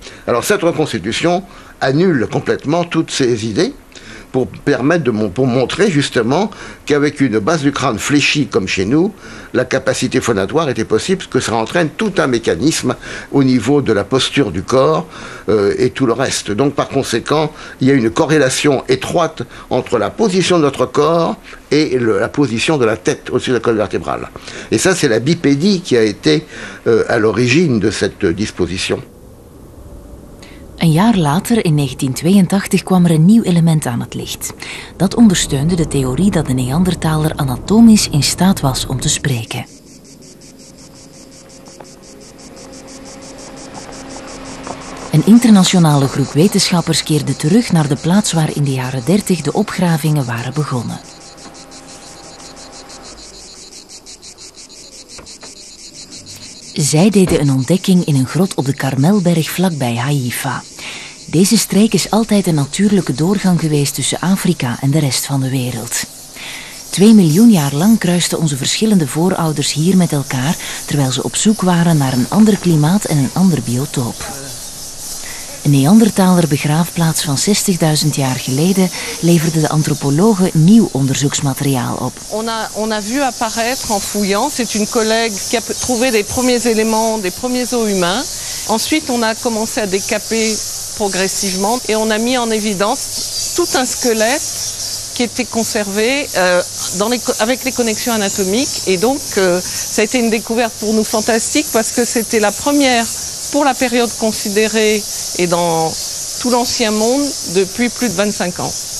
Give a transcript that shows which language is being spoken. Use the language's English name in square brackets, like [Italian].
[French] Alors cette reconstitution annule complètement toutes ces idées pour montrer justement qu'avec une base du crâne fléchie comme chez nous, la capacité phonatoire était possible, parce que ça entraîne tout un mécanisme au niveau de la posture du corps et tout le reste. Donc par conséquent, il y a une corrélation étroite entre la position de notre corps et la position de la tête au-dessus de la colonne vertébrale. Et ça, c'est la bipédie qui a été à l'origine de cette disposition. [Dutch] Een jaar later, in 1982, kwam er een nieuw element aan het licht. Dat ondersteunde de theorie dat de Neandertaler anatomisch in staat was om te spreken. Een internationale groep wetenschappers keerde terug naar de plaats waar in de jaren 30 de opgravingen waren begonnen. Zij deden een ontdekking in een grot op de Karmelberg vlakbij Haifa. Deze streek is altijd een natuurlijke doorgang geweest tussen Afrika en de rest van de wereld. 2 miljoen jaar lang kruisten onze verschillende voorouders hier met elkaar, terwijl ze op zoek waren naar een ander klimaat en een ander biotoop. Een Neandertaler begraafplaats van 60.000 jaar geleden leverde de antropologen nieuw onderzoeksmateriaal op. [French] On a vu apparaître en fouillant, c'est une collègue qui a trouvé des premiers éléments, des premiers os humains. Ensuite, on a commencé à décaper progressivement et on a mis en évidence tout un squelette qui était conservé avec les connexions anatomiques et donc ça a été une découverte pour nous fantastique parce que c'était la première pour la période considérée et dans tout l'ancien monde depuis plus de 25 ans.